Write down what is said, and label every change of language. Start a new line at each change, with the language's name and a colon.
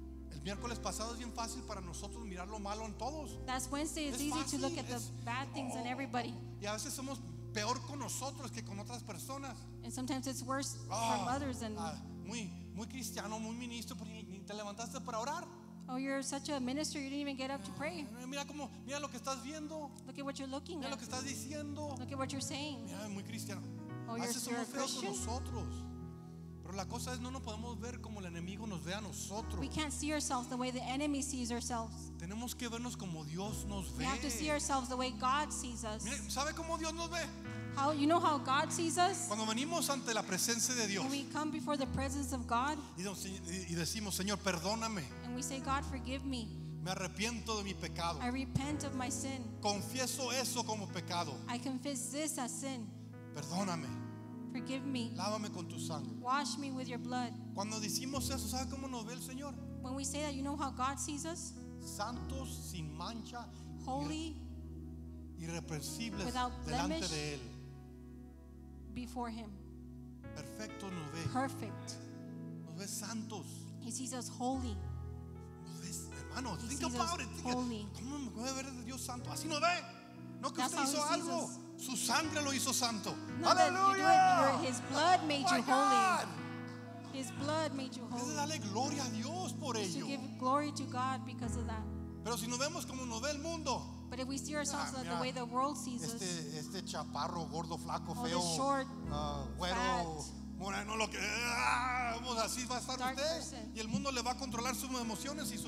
Spanish: El miércoles pasado es bien fácil para nosotros mirar lo malo en todos.
English: That's Wednesday. It's easy to look at the bad things in everybody.
Spanish: Y a veces somos peor con nosotros que con otras personas.
English: And sometimes it's worse from others than
Spanish: muy cristiano, muy ministro, pero ni te levantaste para orar.
English: Oh, you're such a minister, you didn't even get up to pray.
Spanish: Mira cómo, mira lo que estás viendo.
English: Look at what you're looking
Spanish: mira
English: at.
Spanish: Lo que estás diciendo.
English: Look at what you're saying.
Spanish: Mira, muy cristiano.
English: Oh, you're so Christian.
Spanish: Con nosotros. Pero la cosa es, no nos podemos ver como el enemigo nos ve a nosotros.
English: We can't see ourselves the way the enemy sees ourselves.
Spanish: Tenemos que vernos como Dios nos ve.
English: We have to see ourselves the way God sees us.
Spanish: Mira, ¿sabe cómo Dios nos ve?
English: How, you know how God sees us?
Spanish: Cuando venimos ante la presencia de Dios.
English: When we come before the presence of God.
Spanish: Y decimos, Señor, perdóname.
English: And we say, God, forgive me.
Spanish: Me arrepiento de mi pecado.
English: I repent of my sin.
Spanish: Confieso eso como pecado.
English: I confess this as sin.
Spanish: Perdóname.
English: Forgive me.
Spanish: Lávame con tu sangre.
English: Wash me with your blood.
Spanish: Cuando decimos eso, ¿sabes cómo nos ve el Señor?
English: When we say that, you know how God sees us?
Spanish: Santos, sin mancha.
English: Holy.
Spanish: Irreprensibles delante de él.
English: Before him.
Spanish: Perfecto nos ve.
English: Perfect.
Spanish: Nos ve santos.
English: He sees us holy.
Spanish: Nos ve, hermano,
English: think about it. Holy.
Spanish: ¿Cómo me puede ver de Dios santo? Así nos ve. No que usted hizo algo. Su sangre lo hizo santo. Aleluya.
English: His blood made you holy. His blood made you holy.
Spanish: Dale gloria a Dios por ello.
English: You should give glory to God because of that.
Spanish: Pero si nos vemos como nos ve el mundo.
English: But if we see ourselves the way the world sees us.
Spanish: Este chaparro, gordo, flaco, oh, feo,
English: short,
Spanish: güero,
English: fat,
Spanish: moreno, lo que, pues así va a estar usted.
English: Person.
Spanish: Y el mundo le va a controlar sus emociones y su